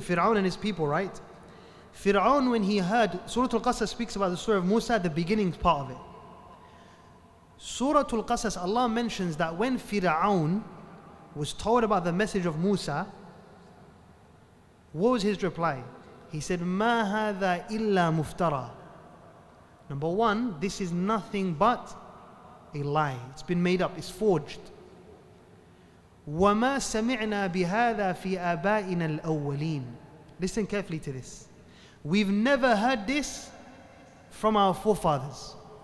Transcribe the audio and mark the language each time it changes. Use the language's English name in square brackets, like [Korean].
[English] Fir'aun and his people, right? Fir'aun, when he heard, Surah Al-Qasas speaks about the story of Musa, the beginning part of it. Surah Al-Qasas, Allah mentions that when Fir'aun was told about the message of Musa, what was his reply? He said, [Arabic] مَا هَذَا إِلَّا مُفْتَرَى. [English] Number one, this is nothing but a lie. It's been made up, it's forged. [Arabic] وَمَا سَمِعْنَا بِهَذَا فِي أَبَائِنَا الْأَوَّلِينَ. [English] Listen carefully to this. We've never heard this from our forefathers.